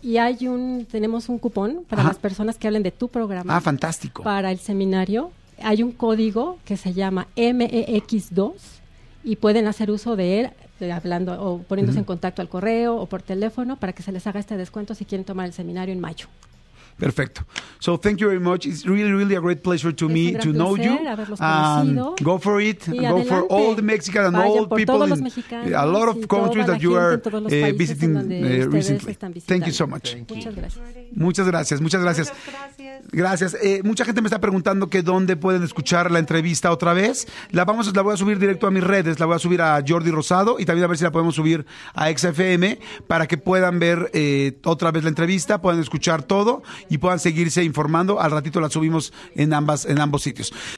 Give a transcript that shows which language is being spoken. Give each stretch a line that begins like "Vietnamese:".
Spanish: Y tenemos un cupón para las personas que hablen de tu programa. Ah, fantástico. Para el seminario. Hay un código que se llama MEX2. Y pueden hacer uso de él hablando o poniéndose en contacto al correo o por teléfono para que se les haga este descuento si quieren tomar el seminario en mayo.
English: Perfecto. So thank you very much. It's really, really a great pleasure to me to know you. Go for it. Go for all the Mexicans and all people in a lot of countries that you are visiting recently. Thank you so much.
Spanish: Muchas gracias. Muchas gracias. Gracias. Mucha gente me está preguntando que dónde pueden escuchar la entrevista otra vez. La voy a subir directo a mis redes. La voy a subir a Jordi Rosado y también a ver si la podemos subir a XFM para que puedan ver otra vez la entrevista, puedan escuchar todo y puedan seguirse informando. Al ratito la subimos en ambos sitios.